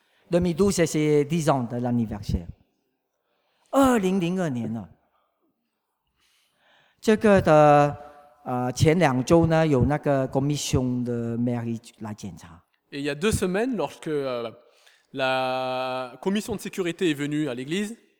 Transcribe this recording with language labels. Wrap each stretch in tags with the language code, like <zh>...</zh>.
<fr>2012 c'est 10 ans de l'anniversaire.</fr> <zh>2002年了，这个的前两周呢，有那个</zh> <fr>commission de mairie</fr> <zh>来检查。</zh> <fr>Et il y a deux semaines, lorsque la commission de sécurité est venue à l'église.</fr>